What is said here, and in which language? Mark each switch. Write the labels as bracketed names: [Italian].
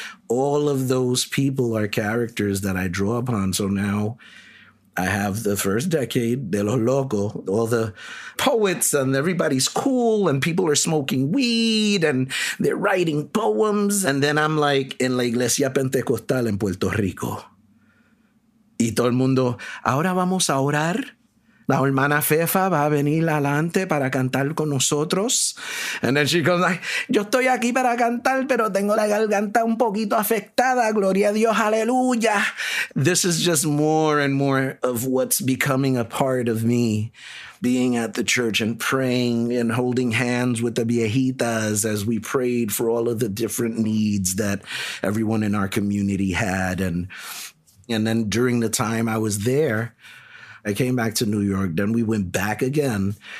[English] All of those people are characters that I draw upon. So now I have the first decade, [Spanish] de los locos, [English] all the poets and everybody's cool and people are smoking weed and they're writing poems. And then I'm like in [Spanish] la iglesia pentecostal en Puerto Rico. Y todo el mundo, ahora vamos a orar. La hermana Fefa va a venir adelante para cantar con nosotros. [English] And then she goes like, [Spanish] yo estoy aquí para cantar, pero tengo la garganta un poquito afectada. Gloria a Dios, aleluya. [English] This is just more and more of what's becoming a part of me, being at the church and praying and holding hands with the viejitas as we prayed for all of the different needs that everyone in our community had. And then during the time I was there, I came back to New York, then we went back again.